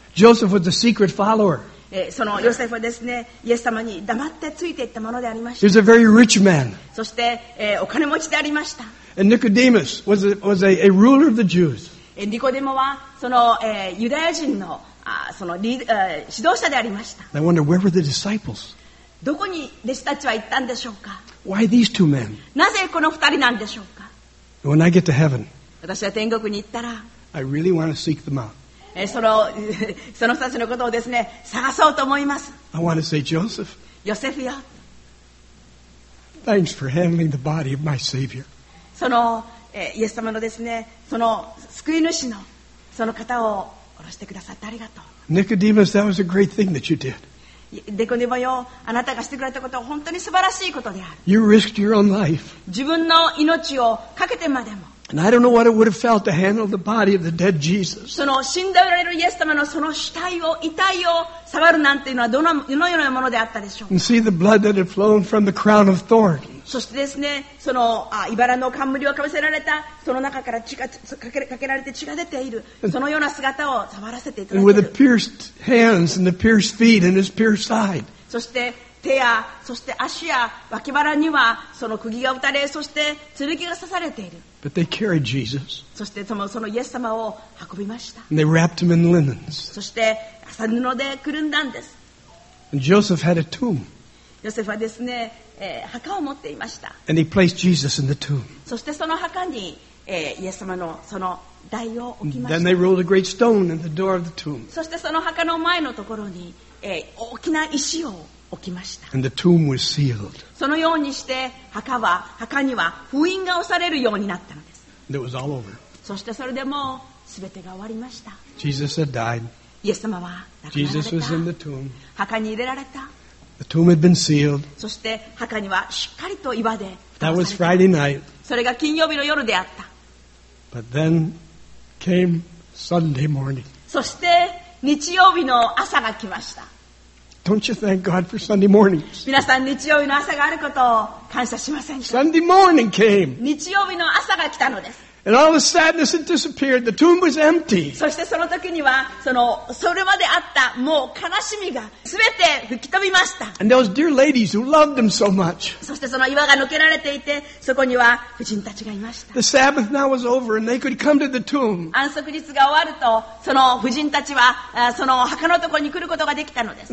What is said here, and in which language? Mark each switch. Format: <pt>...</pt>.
<en>Joseph was a secret follower.</en> <ja>そのヨセフはですね、イエス様に黙ってついていったものでありました。</ja> <en>He was a very rich man.</en> <ja>そして、お金持ちでありました。</ja> <en>And Nicodemus was a ruler of the Jews.</en> <ja>ニコデモはその、ユダヤ人 の, そのリ、指導者でありました。</ja> <en>I wonder, where were the disciples?</en> <ja>どこに弟子たちは行ったんでしょうか。</ja> <en>Why these two men?</en> <ja>なぜこの二人なんでしょうか。</ja> <en>When I get to heaven,</en> <ja>私は天国に行ったら、</ja> <en>I really want to seek them out.</en> <ja>その二つのことをですね、探そうと思います。</ja> <en>I want to say, Joseph,</en> <ja>ヨセフよ。</ja> <en>Thanks for handling the body of my Savior.</en> <ja>そのイエス様のですね、その救い主のその方を下ろしてくださってありがとう。</ja> <en>Nicodemus, that was a great thing that you did.</en> <ja>ネコデモよ、あなたがしてくれたことは本当に素晴らしいことである。</ja> <en>You risked your own life.</en> <ja>自分の命をかけてまでも。</ja> <en>And I don't know what it would have felt to handle the body of the dead Jesus.</en> <ja>その死んでおられるイエス様のその死体を、遺体を触るなんていうのはどのようなものであったでしょうか。</ja> <en>And see the blood that had flown from the crown of thorns.</en> <ja>そしてですね、その茨の冠をかぶせられた、その中から血がかけられて血が出ている、そのような姿を触らせていただいている。</ja> <en>With the pierced hands and the pierced feet and his pierced side.</en> <ja>そして手や、そして足や脇腹にはその釘が打たれ、そして剣が刺されている。</ja> <en>But they carried Jesus.</en> <ja>そしてそのイエス様を運びました。</ja> <en>And they wrapped him in linens.</en> <ja>そして麻布でくるんだんです。</ja> <en>And Joseph had a tomb.</en> <ja>ヨセフはですね、墓を持っていました。</ja> <en>And he placed Jesus in the tomb.</en> <ja>そしてその墓に、イエス様のその台を置きました。</ja> <en>Then they rolled a great stone in the door of the tomb.</en> <ja>そしてその墓の前のところに、大きな石を置きました。</ja> <en>And the tomb was sealed.</en> <ja>そのようにして墓には封印が押されるようになったのです。</ja> <en>And it was all over.</en> <ja>そしてそれでもすべてが終わりました。</ja> <en>Jesus had died.</en> <ja>イエス様は亡くなられた。</ja> <en>Jesus was in the tomb.</en> <ja>墓に入れられた。</ja> <en>The tomb had been sealed.</en> <ja>そして墓にはしっかりと岩で</ja> <en>That was Friday night.</en> <ja>それが金曜日の夜であった。</ja> <en>But then came Sunday morning.</en> <ja>そして日曜日の朝が来ました。</ja> <en>Don't you thank God for Sunday mornings?</en> <ja>皆さん日曜日の朝があることを感謝しませんか?</ja> <en>Sunday morning came.</en> <ja>日曜日の朝が来たのです。</ja> <en>And all the sadness had disappeared. The tomb was empty.</en> <ja>そしてその時にはそれまであったもう悲しみがすべて吹き飛びました。</ja> <en>And those dear ladies who loved him so much.</en> <ja>そしてその岩が抜けられていてそこには婦人たちがいました。</ja> <en>The Sabbath now was over and they could come to the tomb.</en> <ja>安息日が終わるとその婦人たちはその墓のところに来ることができたのです。</ja>